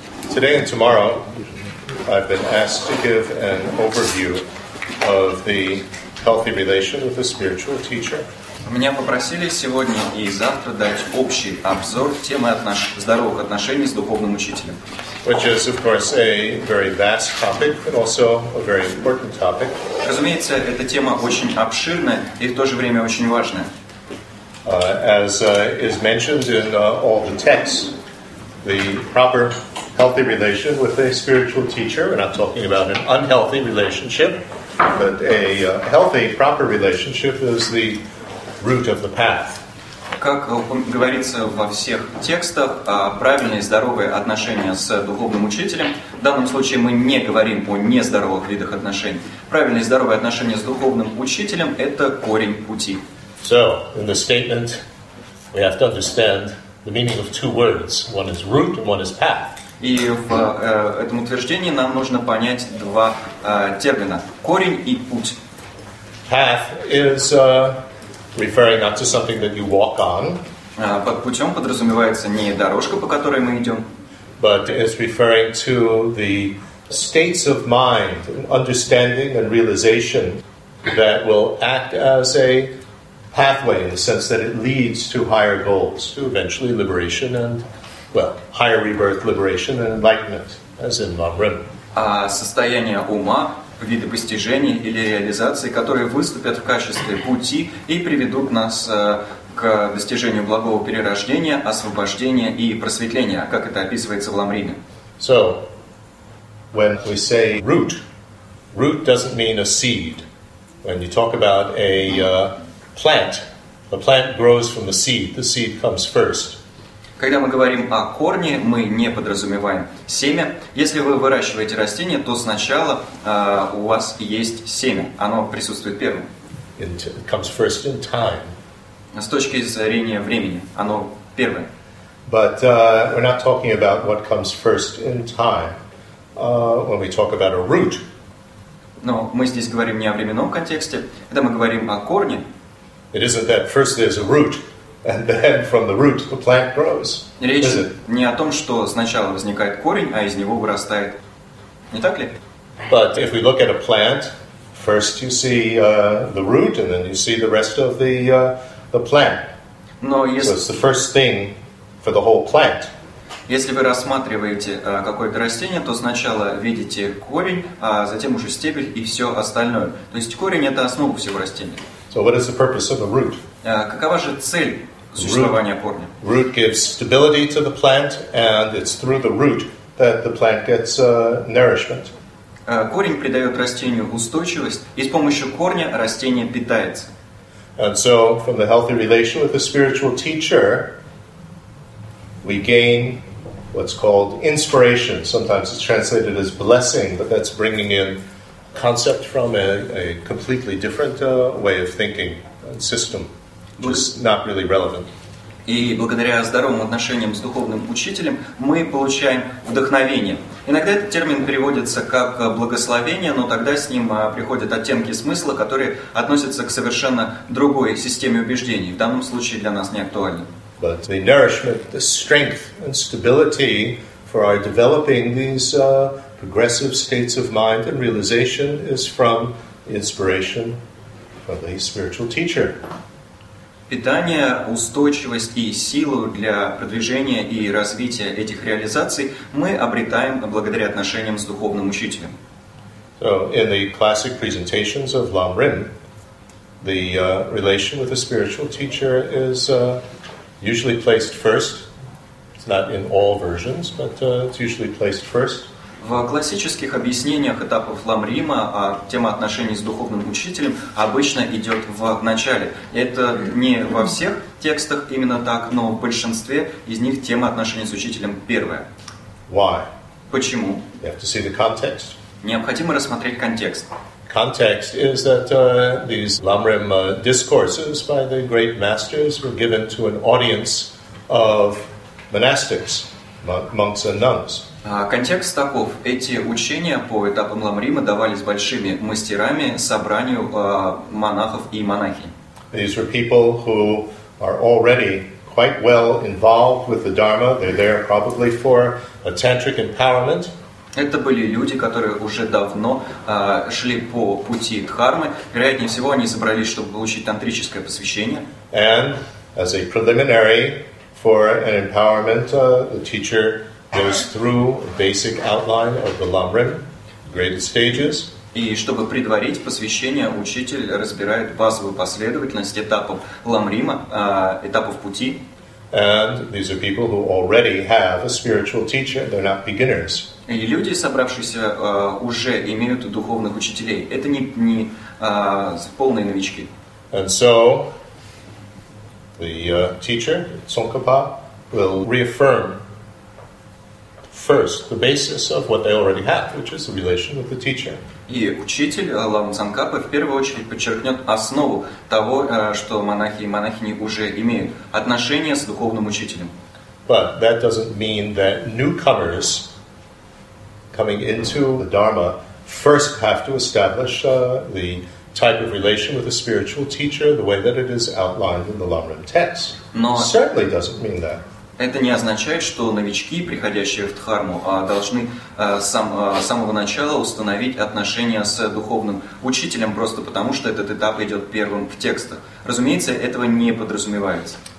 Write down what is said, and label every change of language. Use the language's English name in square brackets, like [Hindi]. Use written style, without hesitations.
[English] Today and tomorrow, I've been asked to give an overview of the healthy relation with the spiritual teacher. [Russian] Меня попросили сегодня и завтра дать общий обзор темы здоровых отношений с духовным учителем. [English] Which is, of course, a very vast topic, but also a very important topic. [Russian] Разумеется, эта тема очень обширная и в то же время очень важная. [English] As is mentioned in all the texts, the proper healthy relation with a spiritual teacher, we're not talking about an unhealthy relationship, but a healthy, proper relationship is the root of the path. [Russian] Как говорится во всех текстах, правильные и здоровые отношения с духовным учителем, в данном случае мы не говорим о нездоровых видах отношений, правильные и здоровые отношения с духовным учителем – это корень пути. [English] So, in the statement, we have to understand the meaning of two words. One is root and one is path. [Russian] И в этом утверждении нам нужно понять два термина – корень и путь. [English] Path is... Referring not to something that you walk on. [Russian] Под путем подразумевается не дорожка, по которой мы идем. [English] But it's referring to the states of mind, understanding and realization that will act as a pathway, in the sense that it leads to higher goals, to eventually liberation and, well, higher rebirth, liberation and enlightenment, as in Lamrim. [Russian] А состояние ума... виды постижений или реализации, которые выступят в качестве пути и приведут нас к достижению благого перерождения, освобождения и просветления, как это описывается в Ламриме. [English] So, when we say root, root doesn't mean a seed. When you talk about a plant, the plant grows from the seed comes first. [Russian] Когда мы говорим о корне, мы не подразумеваем семя. Если вы выращиваете растение, то сначала у вас есть семя. Оно присутствует первым. [English] It comes first in time. [Russian] С точки зрения времени, оно первое. [English] But we're not talking about what comes first in time. When we talk about a root. [Russian] Но мы здесь говорим не о временном контексте. Когда мы говорим о корне, [English] it isn't that first there's a root. And then from the root the plant grows. [Russian] Речь [English] is it? [Russian] Не о том, что сначала возникает корень, а из него вырастает. Не так ли? [English] But if we look at a plant, first you see the root and then you see the rest of the plant. [Russian] Но если... [English] So it's the first thing for the whole plant. [Russian] Если вы рассматриваете какое-то растение, то сначала видите корень, а затем уже стебель и все остальное. То есть корень – это основа всего растения. [English] So what is the purpose of a root? [Russian] Какова же цель существования корня? [English] Root gives stability to the plant, and it's through the root that the plant gets nourishment. [Russian] Корень придает растению устойчивость, и с помощью корня растение питается. [English] And so, from the healthy relation with the spiritual teacher, we gain what's called inspiration. Sometimes it's translated as blessing, but that's bringing in concept from a completely different way of thinking and system, which is not really relevant. [Russian] И благодаря здоровым отношениям с духовным учителем мы получаем вдохновение. Иногда этот термин переводится как благословение, но тогда с ним приходят оттенки смысла, которые относятся к совершенно другой системе убеждений. В данном случае для нас не актуальны. [English] But the nourishment, the strength and stability for our developing these progressive states of mind and realization is from inspiration from the spiritual teacher. [Russian] Питание, устойчивость и силу для продвижения и развития этих реализаций мы обретаем благодаря отношениям с духовным учителем. [English] So, in the classic presentations of Lamrim, the relation with the spiritual teacher is usually placed first. It's not in all versions, but it's usually placed first. [Russian] В классических объяснениях этапов Ламрима тема отношений с духовным учителем обычно идет в начале. Это не во всех текстах именно так, но в большинстве из них тема отношений с учителем первая. [English] Why? [Russian] Почему? [English] You have to see the context. [Russian] Необходимо рассмотреть контекст. [English] Context is that these Ламрим discourses by the great masters were given to an audience of monastics, monks and nuns. [Russian] Контекст таков. Эти учения по этапам Ламрима давались большими мастерами, собранию монахов и монахинь. [English] These were people who are already quite well involved with the Dharma. They're there probably for a tantric empowerment. [Russian] Это были люди, которые уже давно шли по пути дхармы. Вероятнее всего, они собрались, чтобы получить тантрическое посвящение. [English] And as a preliminary for an empowerment, the teacher goes through a basic outline of the lamrim, graded stages. [Russian] И чтобы предварить посвящение, учитель разбирает базовую последовательность этапов ламрима, этапов пути. [English] And these are people who already have a spiritual teacher. They're not beginners. [Russian] И люди, собравшиеся, уже имеют духовных учителей. Это не полные новички. [English] And so the teacher, Tsongkhapa, will reaffirm first the basis of what they already have, which is the relation with the teacher. [Russian] И учитель Лама Цанкапа в первую очередь подчеркнет основу того, что монахи и монахини уже имеют отношение с духовным учителем. [English] But that doesn't mean that newcomers coming into the Dharma first have to establish the type of relation with a spiritual teacher the way that it is outlined in the Lamrim text. [Russian] Но [English] certainly doesn't mean that. [Russian] Это не означает, что новички, приходящие в Дхарму, должны с самого начала установить отношения с духовным учителем, просто потому что этот этап идет первым в текстах. Разумеется, этого не подразумевается.